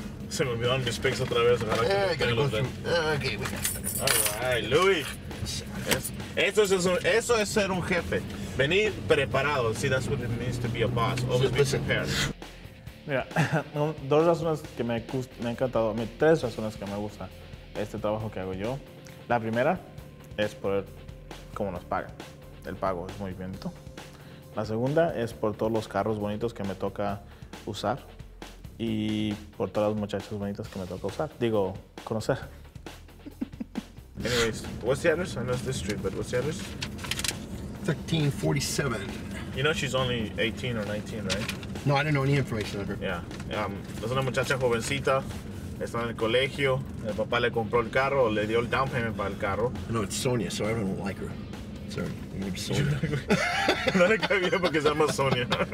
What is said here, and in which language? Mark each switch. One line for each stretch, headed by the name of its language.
Spanish: Se me olvidaron mis picks otra vez. Ojalá que me los den. Okay, Louis. Eso es ser un jefe. Venir preparado.
English: See, that's what it means to be a boss. Always be prepared.
Spanish: Mira, dos razones que me ha encantado. Tres razones que me gusta este trabajo que hago yo. La primera es por cómo nos pagan. El pago es muy bien. La segunda es por todos los carros bonitos que me toca usar. Y por todas las muchachas bonitas que me toca usar. Digo, conocer.
English: Anyways, what's the address? I know it's this street, but what's the address? 1347. You know she's only 18 or 19, right? No, I don't know any information on her.
Spanish: Yeah. Es una muchacha jovencita. Está en el colegio. El papá le compró el carro. Le dio el down payment para el carro.
English: No, it's Sonia, so everyone will like her. Sorry, my name's Sonia.
Spanish: No le cae bien porque se llama Sonia.